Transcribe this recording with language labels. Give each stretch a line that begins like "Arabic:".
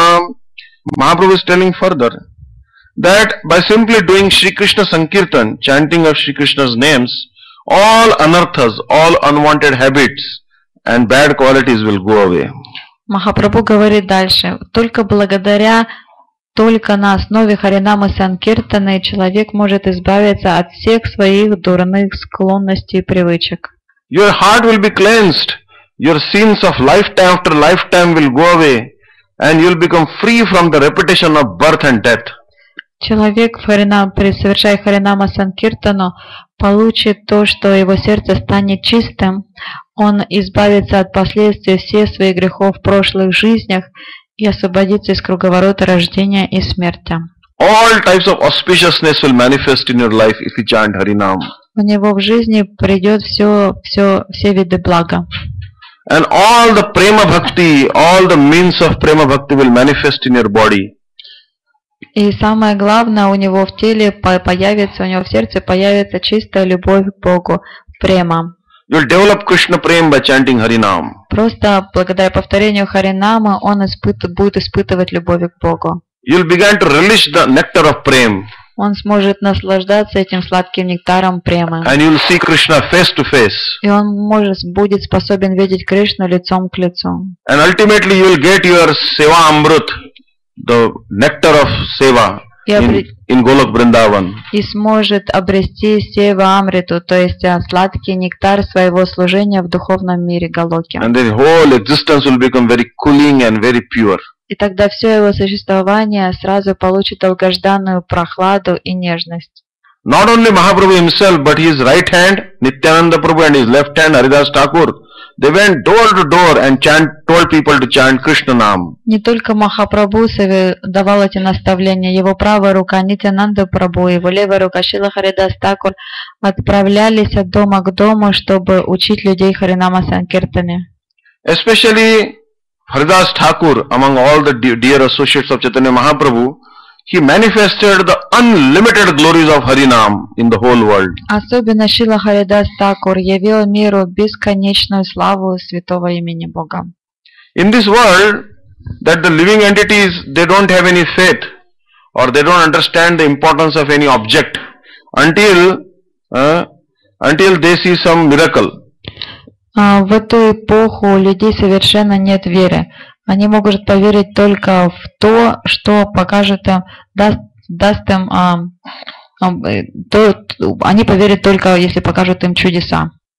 English: Mahaprabhu is telling further that by simply doing Shri Krishna Sankirtan, chanting of Shri Krishna's names, all anarthas, all unwanted habits and bad qualities will go away.
Russian: Махапрабху говорит дальше, только благодаря только на основе Харинамы Санкиртаны человек может избавиться от всех своих дурных склонностей и привычек.
English: Your heart will be cleansed. Your sins of lifetime after lifetime will go away, and you will become free from the repetition of birth and death.
Russian: Человек, совершая Харинама Санкиртану, получит то, что его сердце станет чистым. Он избавится от последствий всех своих грехов в прошлых жизнях и освободится из круговорота рождения и смерти.
English: All types of auspiciousness will manifest in your life if you chant Harinam.
Russian: У него в жизни придет все виды блага.
English: And all the prema bhakti, all the means of prema bhakti will manifest in your body.
Russian: И самое главное, у него в теле появится, у него в сердце появится чистая любовь к Богу, према.
English: You'll develop Krishna prema by chanting Harinam.
Russian: Просто благодаря повторению Харинама он будет испытывать любовь к Богу.
English: You'll begin to relish the nectar of prema.
Russian: Он сможет наслаждаться этим сладким нектаром премы.
English: And you'll see Krishna face to face.
Russian: И он будет способен видеть Кришну лицом к лицу.
English: And ultimately you'll get your seva amrut, the nectar of seva in Golok Vrindavan.
Russian: И сможет обрести сева амриту, то есть сладкий нектар своего служения в духовном мире Голоке.
English: And the whole existence will become very cooling and very pure.
Russian: И тогда все его существование сразу получит долгожданную прохладу и нежность.
English: Not only Mahaprabhu himself, but his right hand Nityananda Prabhu and his left hand Haridas Thakur, they went door to door and told people to chant Krishna Nam.
Russian: Не только Махапрабху давал эти наставления, его правая рука Нитянанда Прабху, его левая рука Шрила Харидас Такур отправлялись от дома к дому, чтобы учить людей Харинама Санкиртане.
English: Especially Haridas Thakur, among all the dear associates of Chaitanya Mahaprabhu, he manifested the unlimited glories of Harinam in the whole world.
Russian: Особенно Шрила Харидас Такур явил миру бесконечную славу святого имени Бога.
English: In this world, that the living entities, they don't have any faith, or they don't understand the importance of any object, until they see some miracle.
Russian: В эту эпоху у людей совершенно нет веры. Они могут поверить только в то, что покажет им, даст им, они поверят только, если покажут им чудеса.